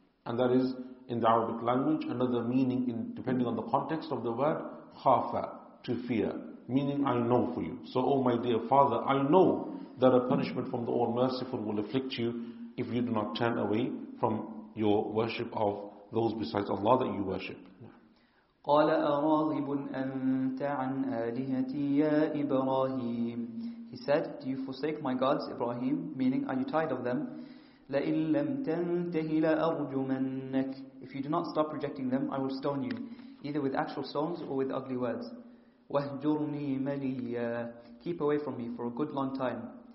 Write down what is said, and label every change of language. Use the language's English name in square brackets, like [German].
[English] And that is, in the Arabic language, another meaning, in depending on the context of the word, khafa, to fear, meaning I know for you. So, oh my dear father, I know that a punishment from the All-Merciful will afflict you if you do not turn away from your worship of those besides Allah that you worship. [Arabic] قال أراغب أنت عن آلهتي يا إبراهيم. [English] He said, do you forsake my gods, Ibrahim? Meaning, are you tired of them? [Arabic] لئن لم تنتهي لأرجمنك. [English] If you do not stop rejecting them, I will stone you, either with actual stones or with ugly words. [Arabic] واهجرني مليا. [English] Keep away from me for a good long time.